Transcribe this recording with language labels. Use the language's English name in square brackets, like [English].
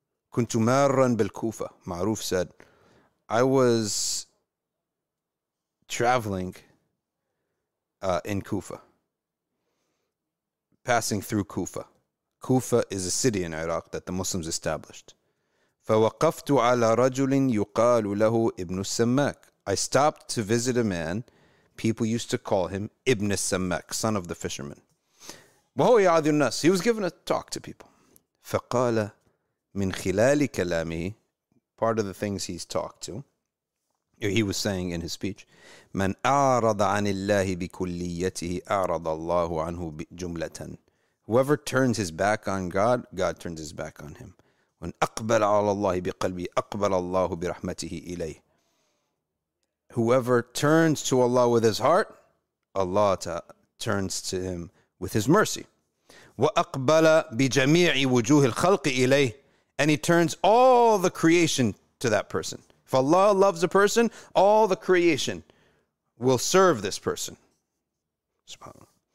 [Arabic] كنت مارا بالكوفة معروف [English] said I was traveling in Kufa, passing through Kufa. Kufa is a city in Iraq that the Muslims established. [Arabic] فوقفت على رجل يقال له ابن السماك. [English] I stopped to visit a man. People used to call him ابن السماك, son of the fisherman. [Arabic] وهو يعذي الناس. [English] He was given a talk to people. [Arabic] فقال من خلال كلامه, [English] part of the things he's talked to, He was saying in his speech, [Arabic] "من أعرض عن الله بكليته أعرض الله عنه جملة." [English] Whoever turns his back on God, God turns his back on him. When [Arabic] أقبل على الله بقلبي أقبل الله برحمته إليه. [English] Whoever turns to Allah with his heart, Allah turns to him with His mercy. [Arabic] وأقبل بجميع وجوه الخلق إليه, [English] and He turns all the creation to that person. If Allah loves a person, all the creation will serve this person. SubhanAllah.